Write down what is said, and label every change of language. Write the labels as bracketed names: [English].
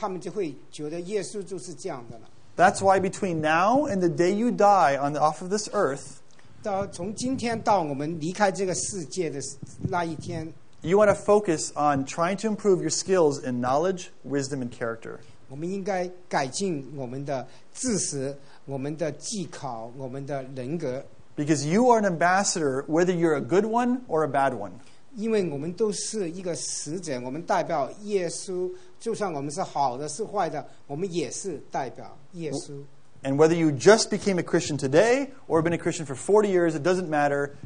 [Chinese] 我们要当心，因为人家怎么样看我们，我们是代表耶稣，他们就会觉得耶稣就是这样的了。That's [English] why between now and the day you die on the, off of this earth, [Chinese] 从今天到我们离开这个世界的那一天, [English] you want to focus on trying to improve your skills in knowledge, wisdom, and character. [Chinese] 我们应该改进我们的知识，我们的技巧，我们的人格。 [English] Because you are an ambassador, whether you're a good one or a bad one. [Chinese] 因为我们都是一个使者，我们代表耶稣。就算我们是好的，是坏的，我们也是代表耶稣。 [English] And whether you just became a Christian today or have been a Christian for 40 years, it doesn't matter.